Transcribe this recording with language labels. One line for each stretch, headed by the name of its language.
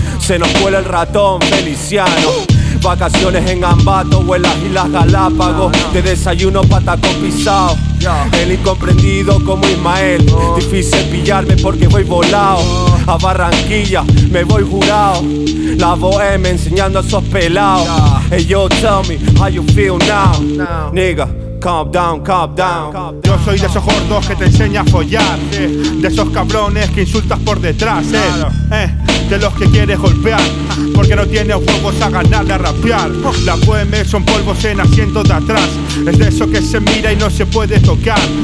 Spanish: Se nos cuela el ratón Feliciano. Vacaciones en Ambato o en las Islas Galápagos. De desayuno patacón pisao. El incomprendido como Ismael. Difícil pillarme porque voy volado. A Barranquilla me voy jurado. La bohème enseñando a esos pelados.
English: Hey yo, tell me how you feel now. Nigga, calm down, calm down.
Spanish: Yo soy de esos gordos que te enseña a follar, de esos cabrones que insultas por detrás, de los que quieres golpear, porque no tienes huevos a ganar a rapear. La bohème son polvos en asientos de atrás. Es de eso que se mira y no se puede tocar.